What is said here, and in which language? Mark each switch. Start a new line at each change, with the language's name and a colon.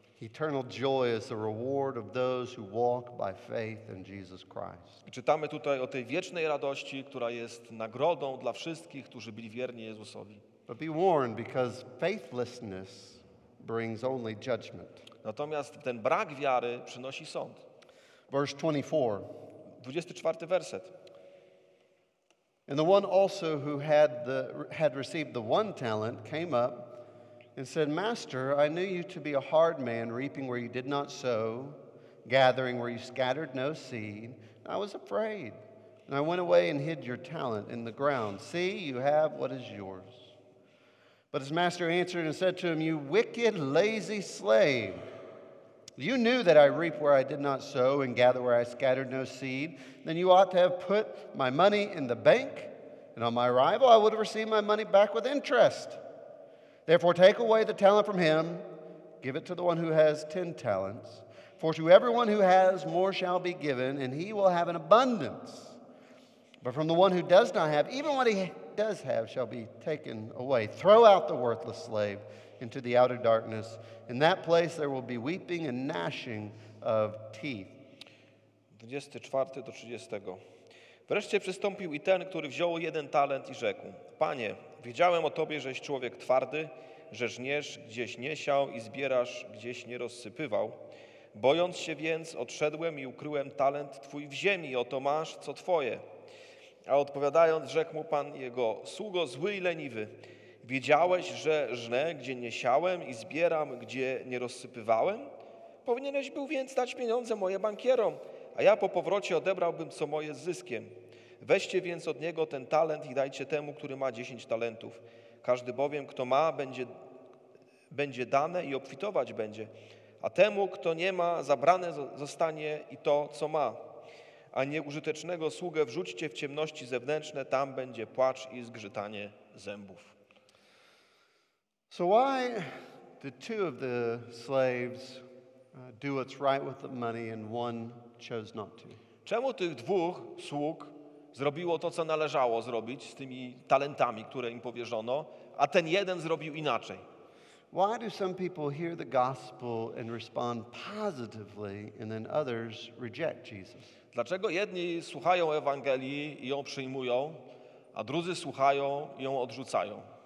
English: Eternal joy is the reward of those who walk by faith in Jesus Christ.
Polish: Czytamy tutaj o tej wiecznej radości, która jest nagrodą dla wszystkich, którzy byli wierni Jezusowi.
English: But be warned, because faithlessness brings only judgment.
Polish: Natomiast ten brak wiary przynosi sąd.
English: Verse 24.
Polish: 24 werset.
English: And the one also who had received the one talent came up and said, Master, I knew you to be a hard man, reaping where you did not sow, gathering where you scattered no seed. And I was afraid, and I went away and hid your talent in the ground. See, you have what is yours. But his master answered and said to him, You wicked, lazy slave. You knew that I reap where I did not sow and gather where I scattered no seed. Then you ought to have put my money in the bank, and on my arrival I would have received my money back with interest. Therefore, take away the talent from him, give it to the one who has 10 talents. For to everyone who has, more shall be given, and he will have an abundance. But from the one who does not have, even what he does have shall be taken away. Throw out the worthless slave into the outer darkness. In that place there will be weeping and gnashing of teeth.
Polish: 24 do 30. Wreszcie przystąpił i ten, który wziął jeden talent i rzekł, Panie, wiedziałem o Tobie, żeś człowiek twardy, że żniesz gdzieś nie siał i zbierasz gdzieś nie rozsypywał. Bojąc się więc, odszedłem i ukryłem talent Twój w ziemi, oto masz, co Twoje. A odpowiadając, rzekł mu Pan jego, sługo zły i leniwy, wiedziałeś, że żnę, gdzie nie siałem i zbieram, gdzie nie rozsypywałem? Powinieneś był więc dać pieniądze moje bankierom, a ja po powrocie odebrałbym co moje z zyskiem. Weźcie więc od niego ten talent i dajcie temu, który ma 10 talentów. Każdy bowiem, kto ma, będzie dane i obfitować będzie. A temu, kto nie ma, zabrane zostanie i to, co ma. A nieużytecznego sługę wrzućcie w ciemności zewnętrzne, tam będzie płacz i zgrzytanie zębów.
English: So why did two of the slaves do what's right with the money and one chose not to?
Polish: Czemu tych dwóch sług zrobiło to, co należało zrobić z tymi talentami, które im powierzono, a ten jeden zrobił inaczej?
English: Why do some people hear the gospel and respond positively and then others reject Jesus?
Polish: Dlaczego jedni słuchają Ewangelii i ją przyjmują, a drudzy słuchają i ją odrzucają?